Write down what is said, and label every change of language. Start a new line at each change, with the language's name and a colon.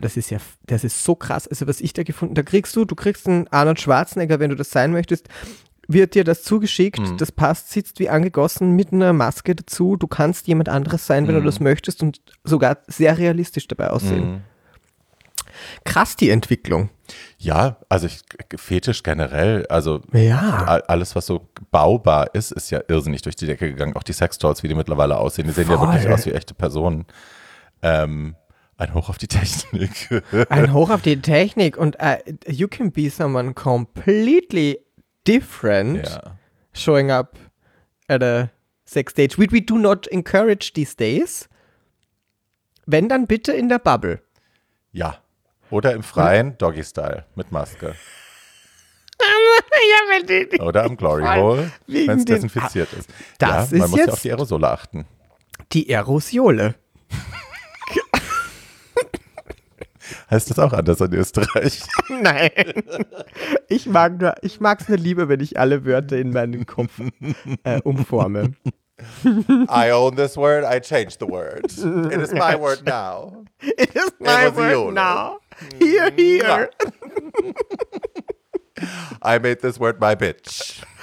German: Das ist so krass. Also was ich da gefunden habe, du kriegst einen Arnold Schwarzenegger, wenn du das sein möchtest, wird dir das zugeschickt. Mhm. Das passt, sitzt wie angegossen mit einer Maske dazu. Du kannst jemand anderes sein, wenn du das möchtest und sogar sehr realistisch dabei aussehen. Mhm. Krass, die Entwicklung. Ja, also Fetisch generell, also ja. Alles, was so baubar ist, ist ja irrsinnig durch die Decke gegangen. Auch die Sextoys, wie die mittlerweile aussehen, die sehen ja wirklich aus wie echte Personen. Ein Hoch auf die Technik. Ein Hoch auf die Technik und
English: you can be someone completely different showing up at a sex stage, which we do not encourage these days.
German: Wenn, dann bitte in der Bubble. Ja. Oder im Freien, Doggy-Style, mit Maske. Ja, oder am Glory Hole, wenn es desinfiziert ist. Das ja, man ist muss jetzt ja auf die Aerosole achten. Die Aerosiole. Heißt das auch anders in Österreich? Nein. Ich mag es nur lieber, wenn ich alle Wörter in meinen Kopf umforme.
English: I own this word, I change the word. It is my word now. It is my word now. Here, here. I made this word my bitch.